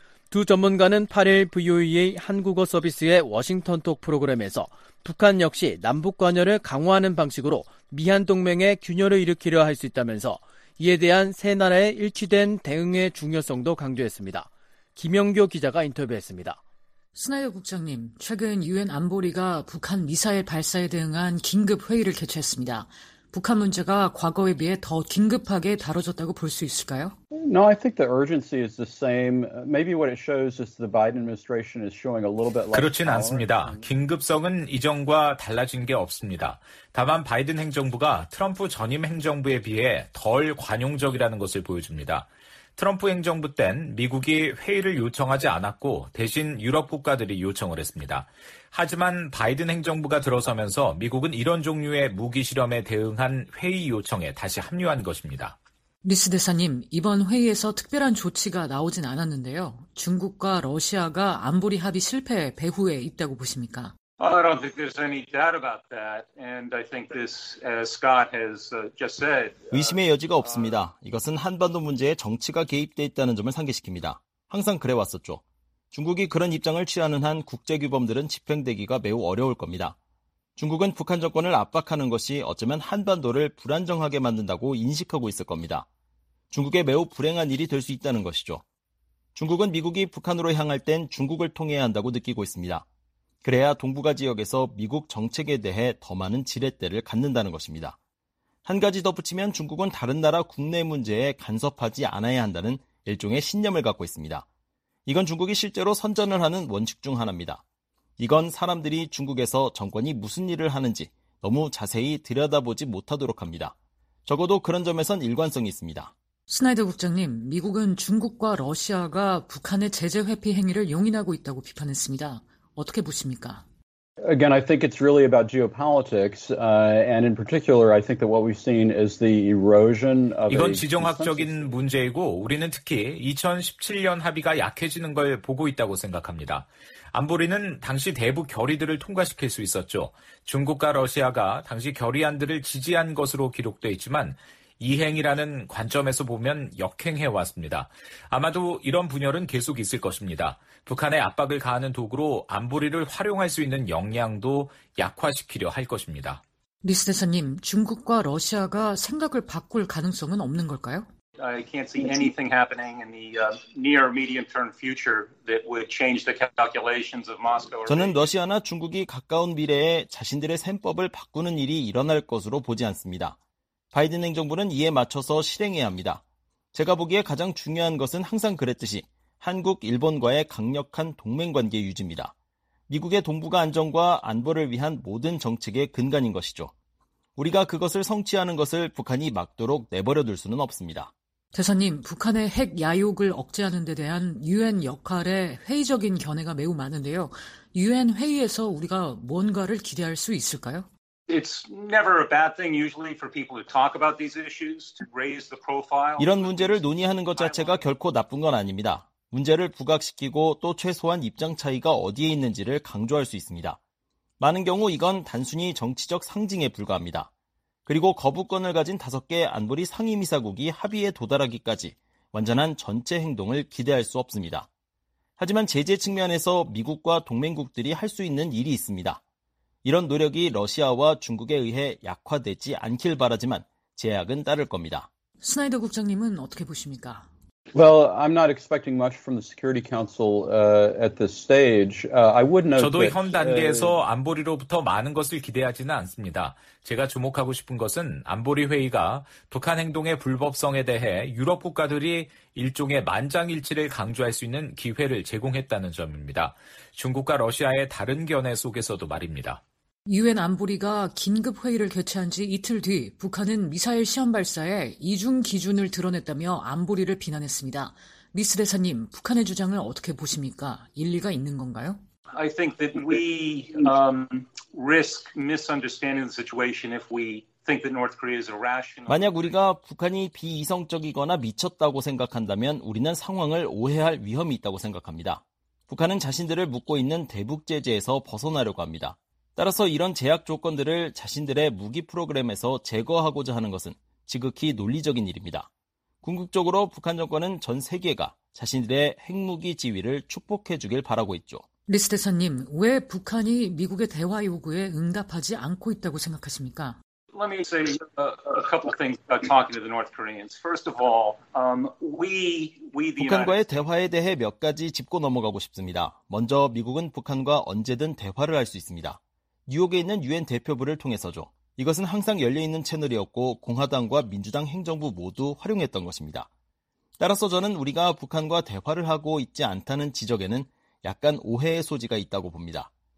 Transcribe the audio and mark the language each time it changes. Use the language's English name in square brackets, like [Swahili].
[Korean] 두 전문가는 8일 VOA 한국어 서비스의 워싱턴 톡 프로그램에서 북한 역시 남북관여를 강화하는 방식으로 미한동맹의 균열을 일으키려 할 수 있다면서 이에 대한 세 나라의 일치된 대응의 중요성도 강조했습니다. 김영교 기자가 인터뷰했습니다. 스나이더 국장님, 최근 유엔 안보리가 북한 미사일 발사에 대응한 긴급 회의를 개최했습니다. 북한 문제가 과거에 비해 더 긴급하게 다뤄졌다고 볼 수 있을까요? [English] No, I think the urgency is the same. Maybe what it shows is the Biden administration is showing a little bit less. [Korean] 그렇진 않습니다. 긴급성은 이전과 달라진 게 없습니다. 다만 바이든 행정부가 트럼프 전임 행정부에 비해 덜 관용적이라는 것을 보여줍니다. 트럼프 행정부 땐 미국이 회의를 요청하지 않았고 대신 유럽 국가들이 요청을 했습니다. 하지만 바이든 행정부가 들어서면서 미국은 이런 종류의 무기 실험에 대응한 회의 요청에 다시 합류한 것입니다. 리스 대사님, 이번 회의에서 특별한 조치가 나오진 않았는데요. 중국과 러시아가 안보리 합의 실패 배후에 있다고 보십니까? [English] Well, I don't think there's any doubt about that, and I think this, as Scott has just said, [Korean] 의심의 여지가 없습니다. 이것은 한반도 문제에 정치가 개입돼 있다는 점을 상기시킵니다. 항상 그래왔었죠. 중국이 그런 입장을 취하는 한 국제규범들은 집행되기가 매우 어려울 겁니다. 중국은 북한 정권을 압박하는 것이 어쩌면 한반도를 불안정하게 만든다고 인식하고 있을 겁니다. 중국의 매우 불행한 일이 될 수 있다는 것이죠. 중국은 미국이 북한으로 향할 땐 중국을 통해야 한다고 느끼고 있습니다. 그래야 동북아 지역에서 미국 정책에 대해 더 많은 지렛대를 갖는다는 것입니다. 한 가지 덧붙이면 중국은 다른 나라 국내 문제에 간섭하지 않아야 한다는 일종의 신념을 갖고 있습니다. 이건 중국이 실제로 선전을 하는 원칙 중 하나입니다. 이건 사람들이 중국에서 정권이 무슨 일을 하는지 너무 자세히 들여다보지 못하도록 합니다. 적어도 그런 점에선 일관성이 있습니다. 스나이더 국장님, 미국은 중국과 러시아가 북한의 제재 회피 행위를 용인하고 있다고 비판했습니다. 어떻게 보십니까? [English] Again, I think it's really about geopolitics, and in particular, I think that what we've seen is the erosion of. [Korean] 이건 지정학적인 문제이고 우리는 특히 2017년 합의가 약해지는 걸 보고 있다고 생각합니다. 안보리는 당시 대북 결의들을 통과시킬 수 있었죠. 중국과 러시아가 당시 결의안들을 지지한 것으로 기록돼 있지만 이행이라는 관점에서 보면 역행해 왔습니다. 아마도 이런 분열은 계속 있을 것입니다. 북한의 압박을 가하는 도구로 안보리를 활용할 수 있는 역량도 약화시키려 할 것입니다. 리스 대사님, 중국과 러시아가 생각을 바꿀 가능성은 없는 걸까요? [English] I can't see anything happening in the near medium term future that would change the calculations of Moscow. [Korean] 저는 러시아나 중국이 가까운 미래에 자신들의 셈법을 바꾸는 일이 일어날 것으로 보지 않습니다. 바이든 행정부는 이에 맞춰서 실행해야 합니다. 제가 보기에 가장 중요한 것은 항상 그랬듯이 한국, 일본과의 강력한 동맹관계 유지입니다. 미국의 동북아 안정과 안보를 위한 모든 정책의 근간인 것이죠. 우리가 그것을 성취하는 것을 북한이 막도록 내버려 둘 수는 없습니다. 대사님, 북한의 핵 야욕을 억제하는 데 대한 유엔 역할에 회의적인 견해가 매우 많은데요. 유엔 회의에서 우리가 뭔가를 기대할 수 있을까요? [English] It's never a bad thing usually for people to talk about these issues to raise the profile. [Korean] 이런 문제를 논의하는 것 자체가 결코 나쁜 건 아닙니다. 문제를 부각시키고 또 최소한 입장 차이가 어디에 있는지를 강조할 수 있습니다. 많은 경우 이건 단순히 정치적 상징에 불과합니다. 그리고 거부권을 가진 5개 안보리 상임이사국이 합의에 도달하기까지 완전한 전체 행동을 기대할 수 없습니다. 하지만 제재 측면에서 미국과 동맹국들이 할 수 있는 일이 있습니다. 이런 노력이 러시아와 중국에 의해 약화되지 않길 바라지만 제약은 따를 겁니다. 스나이더 국장님은 어떻게 보십니까? [English] Well, I'm not expecting much from the Security Council at this stage. I would note [Korean] 저도 현 단계에서 안보리로부터 많은 것을 기대하지는 않습니다. 제가 주목하고 싶은 것은 안보리 회의가 북한 행동의 불법성에 대해 유럽 국가들이 일종의 만장일치를 강조할 수 있는 기회를 제공했다는 점입니다. 중국과 러시아의 다른 견해 속에서도 말입니다. 유엔 안보리가 긴급 회의를 개최한 지 이틀 뒤 북한은 미사일 시험 발사에 이중 기준을 드러냈다며 안보리를 비난했습니다. 리스 대사님, 북한의 주장을 어떻게 보십니까? 일리가 있는 건가요? [English] I think that we risk misunderstanding the situation if we think that North Korea is irrational. [Korean] 만약 우리가 북한이 비이성적이거나 미쳤다고 생각한다면 우리는 상황을 오해할 위험이 있다고 생각합니다. 북한은 자신들을 묶고 있는 대북 제재에서 벗어나려고 합니다. 따라서 이런 제약 조건들을 자신들의 무기 프로그램에서 제거하고자 하는 것은 지극히 논리적인 일입니다. 궁극적으로 북한 정권은 전 세계가 자신들의 핵무기 지위를 축복해 주길 바라고 있죠. 리스 대사님, 왜 북한이 미국의 대화 요구에 응답하지 않고 있다고 생각하십니까? [English] Let me say a couple things about talking to the North Koreans. First of all, we the [Korean] 북한과의 대화에 대해 몇 가지 짚고 넘어가고 싶습니다. 먼저 미국은 북한과 언제든 대화를 할 수 있습니다. 뉴욕에 있는 유엔 대표부를 통해서죠. 이것은 항상 열려있는 채널이었고 공화당과 민주당 행정부 모두 활용했던 것입니다. 따라서 저는 우리가 북한과 대화를 하고 있지 않다는 지적에는 약간 오해의 소지가 있다고 봅니다.